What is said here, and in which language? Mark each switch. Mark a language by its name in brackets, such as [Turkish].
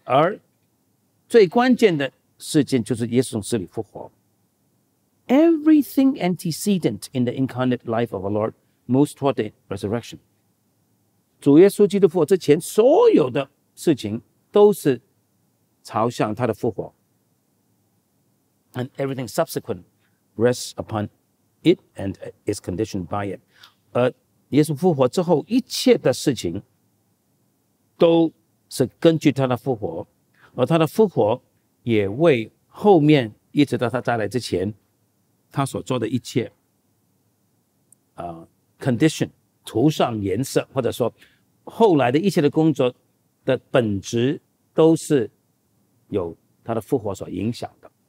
[Chinese] 而最关键的事件就是耶稣从死里复活。 [English] Everything antecedent in the incarnate life of our Lord moves toward the resurrection。 [Chinese] 主耶稣基督复活之前所有的事情都是朝向他的复活。 [English] And everything subsequent rests upon it and is conditioned by it。 [Chinese] 耶稣复活之后一切的事情都是根据他的复活，而他的复活也为后面一直到他再来之前他所做的一切condition 涂上颜色，或者说后来的一切的工作的本质都是有他的复活所影响的。